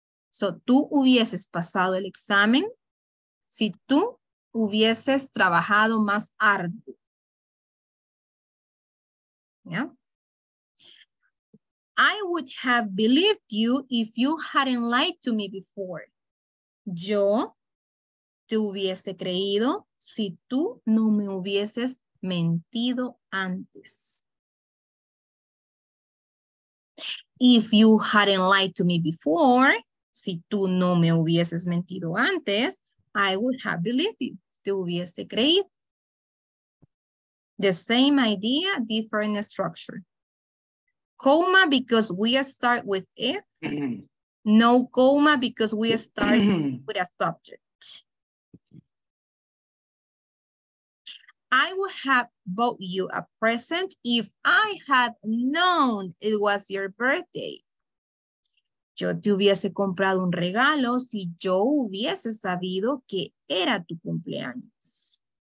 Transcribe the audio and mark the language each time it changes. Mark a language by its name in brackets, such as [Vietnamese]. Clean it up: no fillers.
[Spanish] So, tú hubieses pasado el examen si tú hubieses trabajado más arduo. [English] Yeah. I would have believed you if you hadn't lied to me before. [Spanish] Yo te hubiese creído si tú no me hubieses mentido antes. [English] If you hadn't lied to me before, [Spanish] si tú no me hubieses mentido antes, [English] I would have believed you. [Spanish] Te hubiese creído. [English] The same idea, different structure. Coma because we start with if. No coma because we start with a subject. I would have bought you a present if I had known it was your birthday. [Spanish] Yo te hubiese comprado un regalo si yo hubiese sabido que era tu cumpleaños.